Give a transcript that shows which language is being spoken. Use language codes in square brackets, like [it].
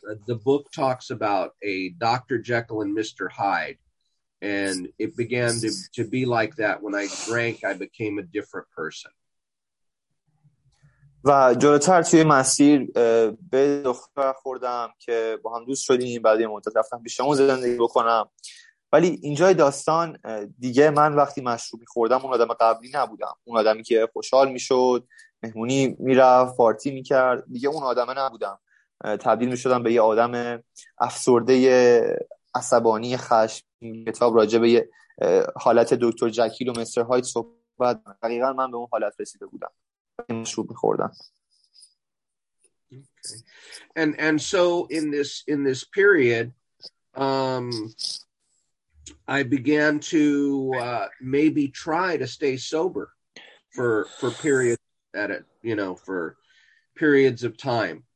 [en] The book talks about a Dr. Jekyll and Mr. Hyde, and it began to be like that. When I drank, I became a different person. [fa] و جلوتر توی مسیر به دختر خوردم که با هم دوست شدیم، بعد یه مدت رفتم به شمو زندگی بکنم، ولی اینجای داستان دیگه من وقتی مشروب می‌خوردم اون آدم قبلی نبودم، اون آدمی که خوشحال می‌شد، مهمونی می‌رفت، پارتی می‌کرد، دیگه اون آدمه نبودم، تبدیل می‌شدم به یه آدم افسرده، عصبانی، خشمگین. کتاب راجع به حالت دکتر جکیل و مستر هایت صحبت، دقیقا من به اون حالت رسیده بودم وقتی مشروب می‌خوردم. [en] And so in this period I began to maybe try to stay sober for periods for periods of time.